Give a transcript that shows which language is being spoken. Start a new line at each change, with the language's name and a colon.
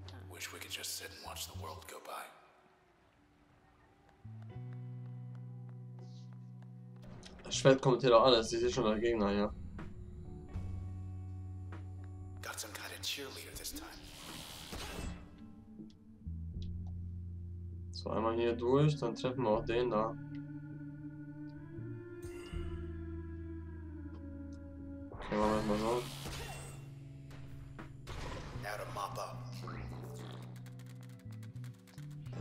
English: Wish we could just sit and watch the world go by.
German: Das Schwert kommentiert auch alles, ich sehe schon der Gegner, ja.
English: Got some kind of cheerleader this time.
German: So, einmal hier durch, dann treffen wir auch den da. Okay, machen wir mal so.
English: Now to mop up.